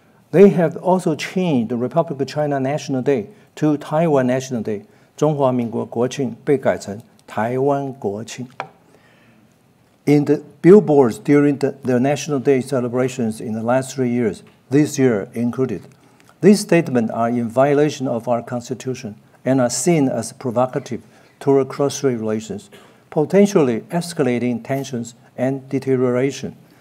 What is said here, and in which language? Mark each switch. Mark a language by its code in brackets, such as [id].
[en] They have also changed the Republic of China National Day to Taiwan National Day. [zh] 中华民国国庆被改成台湾国庆. [en] In the billboards during the National Day celebrations in the last 3 years, this year included, these statements are in violation of our constitution and are seen as provocative toward cross-strait relations, potentially escalating tensions and deterioration.